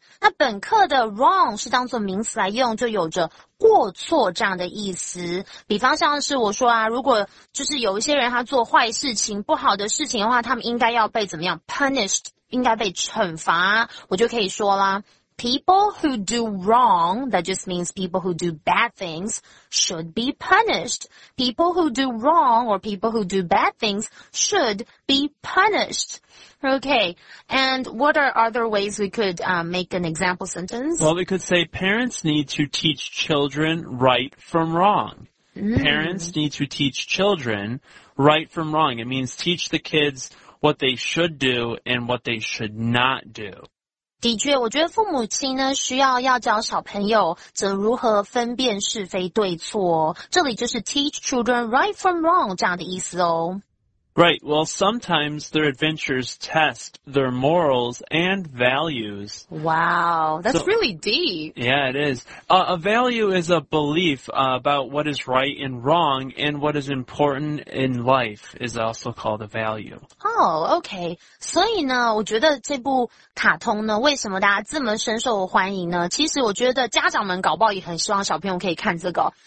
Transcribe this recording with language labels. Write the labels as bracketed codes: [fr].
[zh] 那本课的 wrong 是当作名词来用，就有着过错这样的意思。比方像是我说啊，如果就是有一些人他做坏事情、不好的事情的话，他们应该要被怎么样 punished， 应该被惩罚。 [en] 我就可以说啦，people who do wrong， that just means people who do bad things should be punished. People who do wrong or people who do bad things should be punished. Okay, and what are other ways we could, make an example sentence? Well, we could say parents need to teach children right from wrong. Parents need to teach children right from wrong. It means teach the kids what they should do and what they should not do. [zh] 的确，我觉得父母亲呢需要要教小朋友怎如何分辨是非对错、哦、这里就是 [en] teach children right from wrong [zh] 这样的意思哦。 [en] Right, well, sometimes their adventures test their morals and values. Wow, that's so, really deep. Yeah, it is. A value is a belief, about what is right and wrong and what is important in life is also called a value. Oh, okay. [zh] 所以呢，我觉得这部卡通呢，为什么大家这么深受欢迎呢？其实我觉得家长们搞不好也很希望小朋友可以看这个。